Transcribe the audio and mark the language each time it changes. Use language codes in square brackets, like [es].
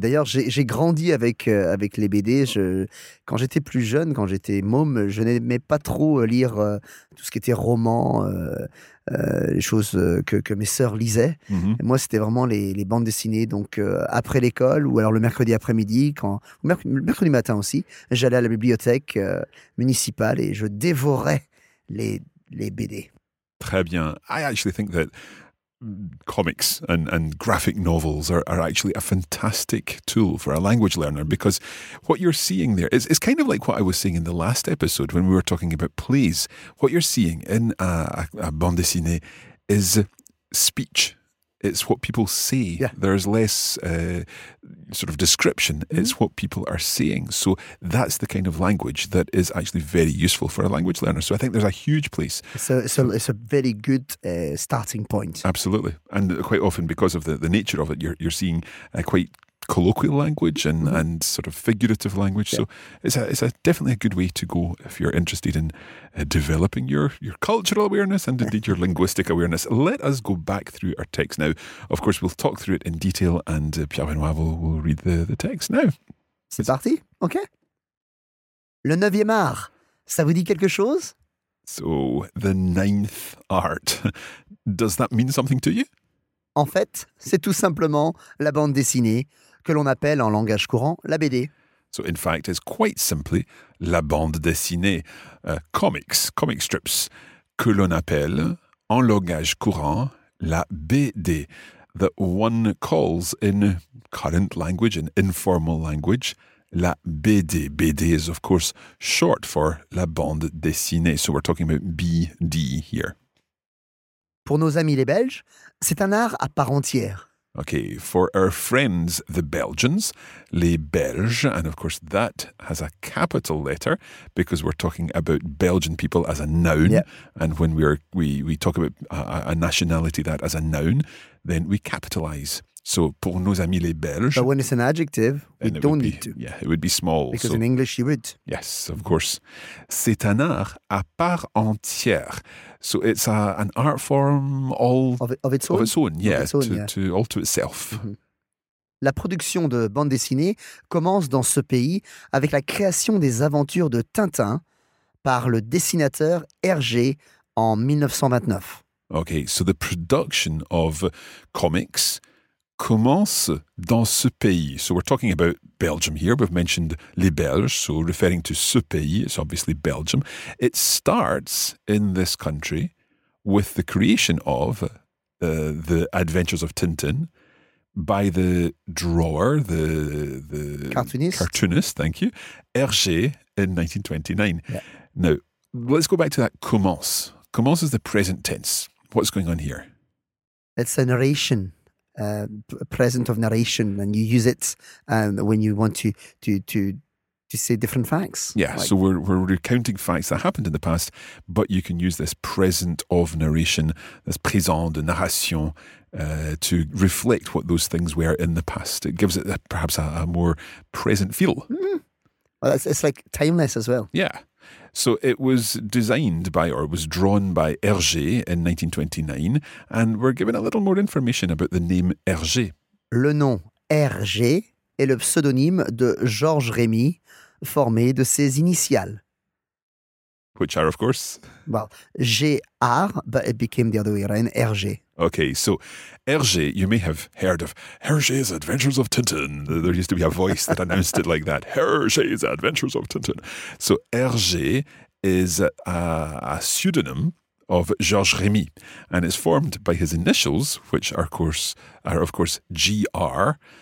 [fr] D'ailleurs, j'ai grandi avec les BD. Quand j'étais plus jeune, quand j'étais môme, je n'aimais pas trop lire tout ce qui était roman, les choses que mes sœurs lisaient. Mm-hmm. Moi, c'était vraiment les bandes dessinées. Donc après l'école ou alors le mercredi après-midi, mercredi matin aussi, j'allais à la bibliothèque municipale et je dévorais les BD. Très bien. [en] I actually think that comics and graphic novels are actually a fantastic tool for a language learner, because what you're seeing there is kind of like what I was seeing in the last episode when we were talking about plays. What you're seeing in a bande dessinée is speech. It's what people say. Yeah. There's less sort of description. Mm-hmm. It's what people are saying. So that's the kind of language that is actually very useful for a language learner. So I think there's a huge place. It's a very good starting point. Absolutely. And quite often, because of the nature of it, you're seeing a quite colloquial language and, mm-hmm. and sort of figurative language. Yeah. So it's definitely a good way to go if you're interested in developing your cultural awareness and indeed your linguistic awareness. Let us go back through our text now. Of course, we'll talk through it in detail and Pierre-Benoît will read the text now. [fr] C'est parti, ok. Le 9e art, ça vous dit quelque chose? [en] So, the 9th art. Does that mean something to you? [fr] En fait, c'est tout simplement la bande dessinée que l'on appelle en langage courant la BD. [en] So in fact, it's quite simply la bande dessinée, comic strips, [fr] que l'on appelle en langage courant la BD, [en] that one calls in current language, in informal language, la BD. BD is of course short for la bande dessinée, so we're talking about BD here. [fr] Pour nos amis les Belges, c'est un art à part entière. [en] Okay, for our friends, the Belgians, les Belges, and of course that has a capital letter because we're talking about Belgian people as a noun. Yeah. And when we talk about a nationality that as a noun, then we capitalize. [fr] So pour nos amis les Belges. [en] But when it's an adjective, we don't need to. Yeah, it would be small. Because in English you would. Yes, of course. [fr] C'est un art à part entière. [en] So it's an art form all of its own. Of its own, yeah. All to itself. Mm-hmm. [fr] La production de bande dessinée commence dans ce pays avec la création des aventures de Tintin par le dessinateur Hergé en 1929. [en] Okay, so the production of comics [fr] commence dans ce pays. [en] So we're talking about Belgium here. We've mentioned les Belges, so referring to [fr] ce pays, [en] it's obviously Belgium. It starts in this country with the creation of the Adventures of Tintin by the drawer, the cartoonist, thank you, Hergé in 1929. Yeah. Now, let's go back to that commence. Commence is the present tense. What's going on here? It's a narration. Present of narration, and you use it when you want to say different facts. Yeah, like, so we're recounting facts that happened in the past, but you can use this present of narration, this présent de narration, to reflect what those things were in the past. It gives it perhaps a more present feel. Mm. Well, it's like timeless as well. Yeah. So it was designed by, or it was drawn by Hergé in 1929, and we're given a little more information about the name Hergé. [fr] Le nom Hergé est le pseudonyme de Georges Rémy, formé de ses initiales. [en] Which are, of course? Well, G-R, but it became the other way around, Hergé. Okay, so Hergé, you may have heard of Hergé's Adventures of Tintin. There used to be a voice that announced it like that. Hergé's Adventures of Tintin. So Hergé is a pseudonym of Georges Rémy, and it's formed by his initials, which are, of course, G-R,